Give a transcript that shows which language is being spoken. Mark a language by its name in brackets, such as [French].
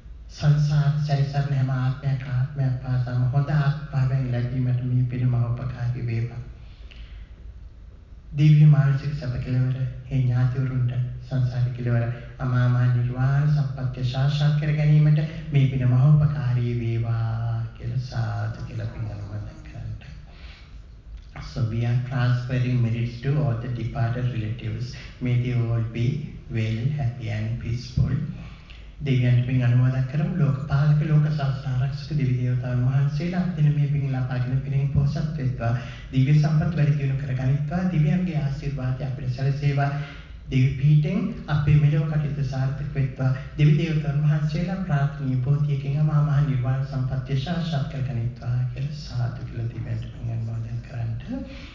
[Sinhala] සංසාර සැරිසරණ හැම ආත්මයක් ආත්මයක් පාසම හොඳ ආත්මයෙන් ලැබීමට මේ පින් මම උපකාරී වේවා. දිව්‍ය මානසික සැප කෙලවර හේ ඥාතිවරුන්ට සංසාරික කෙලවර අමා මහ නිර්වාණ සම්පත්‍ය සාක්ෂාත් කර ගැනීමට මේ පින් මම උපකාරී වේවා කියලා සාදු කියලා පින් අනුමෝදන් කරන්න. [English] So we are transferring merits to all the departed relatives. May they all be well, happy and peaceful. [Sinhala] දෙවියන්ට පින් අනුමෝදන් කරමු. ලෝක පාලක ලෝක සත්‍රාක්ෂක දිවි දේවතාවුන් වහන්සේලා දින මේ පින් ලබාගෙන පිරින් පොහොසත් වෙත්වා. දිව්‍ය සම්පත් වැඩි දියුණු කරගනිත්වා. දිව්‍යයන්ගේ ආශිර්වාදය අපිට සැලසේවා. දිවි පීඨෙන් අපේ මෙලොව කටයුතු සාර්ථක වෙත්වා. දිවි දේවතාවුන් වහන්සේලා ප්‍රාර්ථනීය පොහොතියකින් අමා මහ නිර්වාණ සම්පත්‍ය සාක්ෂාත් කරගනිත්වා කියලා සාදු කියලා දිව්‍යයන්ට පින් අනුමෝදන් කරන්න.